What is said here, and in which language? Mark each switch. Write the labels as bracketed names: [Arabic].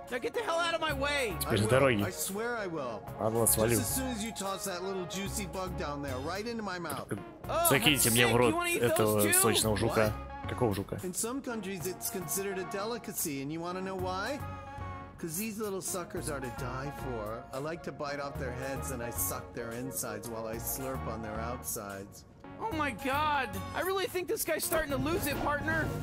[English] Now get the hell out of my way. [Russian] Теперь с дороги. [English] I swear I will. [Russian] Ладно, свалю. [English] Just as soon as you toss that little juicy bug down there, right into my mouth. [Russian] Закиньте мне в рот этого сочного жука. Какого жука? [English] In some countries, it's considered a delicacy, and you want to know why? Because these little suckers are to die for. I like to bite off their heads, and I suck their insides while I slurp on their outsides. Oh my god! I really think this guy's starting to lose it, partner!